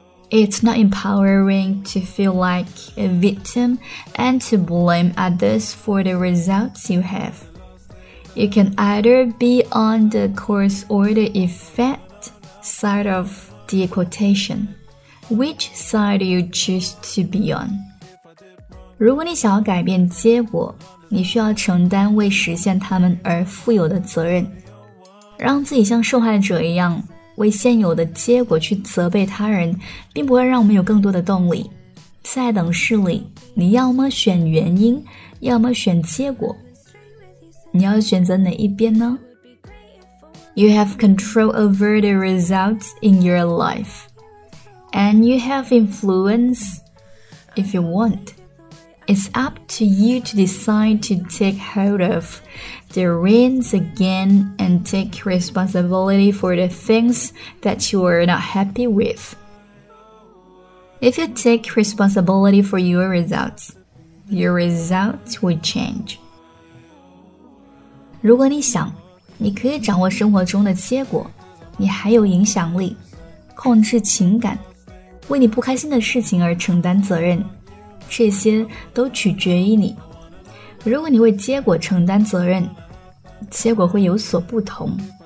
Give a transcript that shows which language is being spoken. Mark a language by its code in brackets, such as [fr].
[en] It's not empowering to feel like a victim and to blame others for the results you have. You can either be on the course or the effect side of the equation. Which side do you choose to be on? [zh] 如果你想要改变结果，你需要承担为实现他们而负有的责任，让自己像受害者一样为现有的结果去责备他人，并不会让我们有更多的动力。在等式里，你要么选原因，要么选结果，你要选择哪一边呢？ [en] You have control over the results in your life, and you have influence if you want. It's up to you to decide to take hold of the reins again and take responsibility for the things that you are not happy with. If you take responsibility for your results will change. [zh] 如果你想你可以掌握生活中的结果，你还有影响力，控制情感，为你不开心的事情而承担责任，这些都取决于你。如果你为结果承担责任，结果会有所不同。